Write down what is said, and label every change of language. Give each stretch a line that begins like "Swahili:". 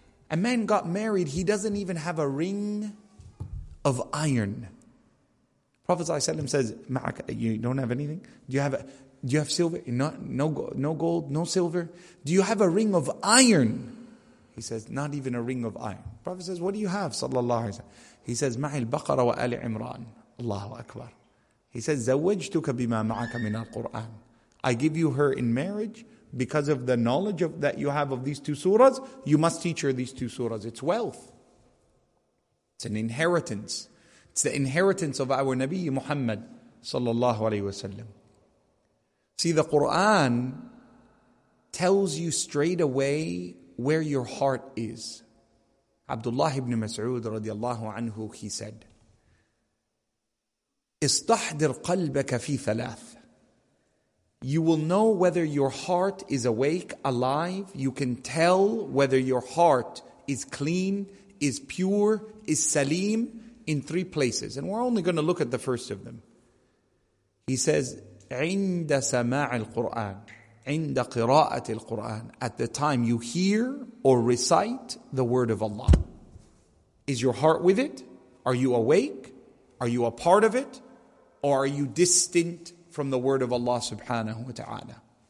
English: A man got married, he doesn't even have a ring of iron. Prophet ﷺ says, you don't have anything? Do you have silver? No gold, no silver. Do you have a ring of iron? He says, not even a ring of iron. Prophet says, what do you have? Sallallahu alayhi wa sallam.
Arabic: He says, مَعِ الْبَقَرَ وَآلِ عِمْرَانِ.
English: Allahu Akbar.
Arabic: He says, زَوَّجْتُكَ بِمَا مَعَكَ مِنَ الْقُرْآنِ.
English: I give you her in marriage because of the knowledge of, that you have of these two surahs. You must teach her these two surahs. It's wealth. It's an inheritance. It's the inheritance of our Nabi Muhammad sallallahu alayhi wa sallam. See, the Qur'an tells you straight away where your heart is. Abdullah ibn Mas'ud radiallahu anhu, he said,
Arabic: استحضر قلبك في ثلاث.
English: You will know whether your heart is awake, alive. You can tell whether your heart is clean, is pure, is salim in three places. And we're only going to look at the first of them.
Arabic: He says, عند سماع القرآن عند قراءة القرآن.
English: At the time you hear or recite the word of Allah. Is your heart with it? Are you awake? Are you a part of it? Or are you distant from the word of Allah subhanahu wa ta'ala?